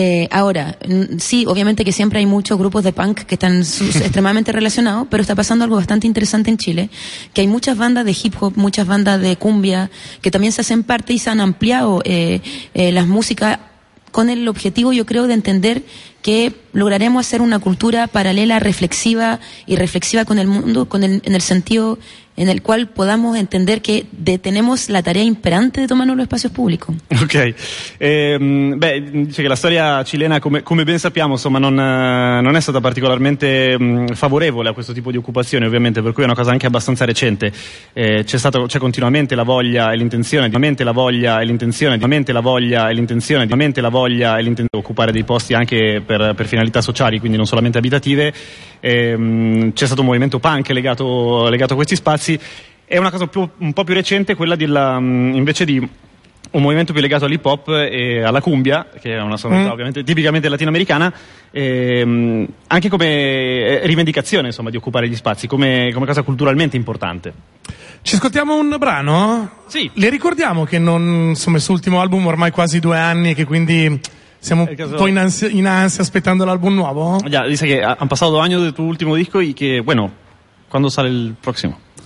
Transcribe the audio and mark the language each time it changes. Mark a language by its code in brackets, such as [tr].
[es] Ahora, sí, obviamente que siempre hay muchos grupos de punk que están extremadamente relacionados, pero está pasando algo bastante interesante en Chile, que hay muchas bandas de hip hop, muchas bandas de cumbia, que también se hacen parte y se han ampliado las músicas con el objetivo, yo creo, de entender que lograremos hacer una cultura paralela, reflexiva y reflexiva con el mundo, en el sentido en el cual podamos entender que tenemos la tarea imperante de tomarnos los espacios públicos. [it] Ok. Beh, dice che la storia cilena, come ben sappiamo, insomma, non è stata particolarmente favorevole a questo tipo di occupazione, ovviamente, per cui è una cosa anche abbastanza recente. C'è continuamente la voglia e l'intenzione di occupare dei posti anche per finalità sociali, quindi non solamente abitative. C'è stato un movimento punk legato a questi spazi. È una cosa un po' più recente quella invece di un movimento più legato all'hip hop e alla cumbia, che è una sonorità ovviamente tipicamente latinoamericana, anche come rivendicazione, insomma, di occupare gli spazi, come, come cosa culturalmente importante. Ci ascoltiamo un brano? Sì. Le ricordiamo che non, insomma, il suo ultimo album ormai quasi 2 anni e che quindi siamo un po' in ansia aspettando l'album nuovo? Già, dice che [es] han pasado 2 años [it] del tuo ultimo disco e che, [es] bueno, ¿cuándo sale el próximo?